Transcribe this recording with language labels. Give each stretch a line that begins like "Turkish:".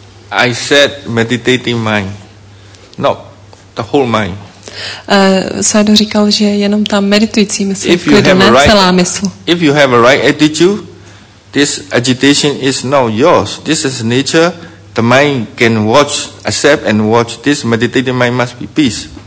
English: I said meditating mind, no, the whole mind.
Czech: Sajdo říkal, že jenom ta meditující mysl v klidu, ne
English: right,
Czech: celá mysl.
English: If you have a right attitude, this agitation is not yours. This is nature. The mind can watch, accept and watch this meditating mind must be peace.